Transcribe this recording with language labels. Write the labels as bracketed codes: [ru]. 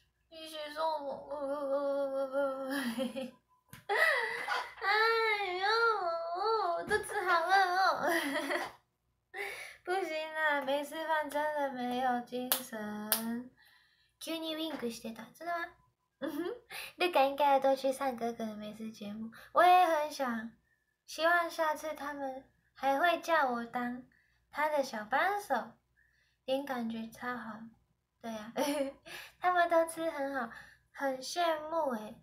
[zh] 谢谢送我，哎呦，肚子好饿哦！不行啦，没吃饭真的没有精神。 [ja] 急にウィンクしてた， [zh] 真的吗？瑞卡应该多去上哥哥的美食节目，我也很想。希望下次他们还会叫我当他的小扳手，您感觉超好。对呀、啊，他们都吃很好，很羡慕哎。